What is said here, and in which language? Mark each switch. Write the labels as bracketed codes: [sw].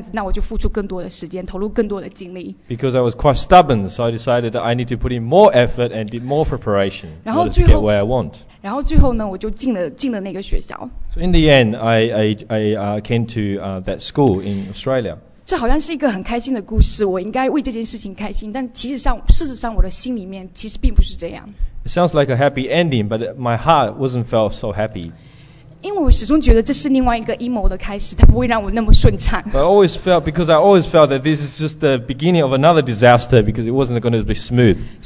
[zh] 然后我就想说，那我要付出更多的时间，因为我很执拗嘛，就很倔强，我不服，我就觉得说，既然这样子，那我就付出更多的时间，投入更多的精力。 [en] Because I was quite stubborn, so I decided that I need to put in more effort and did more preparation to get where I want. [zh] 然后最后呢，我就进了那个学校。 [en] So in the end, I came to that school in Australia. [zh] 这好像是一个很开心的故事，我应该为这件事情开心，但其实上，事实上，我的心里面其实并不是这样。 [en] It sounds like a happy ending, but my heart wasn't felt so happy. [zh] 因为我始终觉得这是另外一个阴谋的开始，它不会让我那么顺畅。 [en] But I always felt that this is just the beginning of another disaster because it wasn't going to be smooth.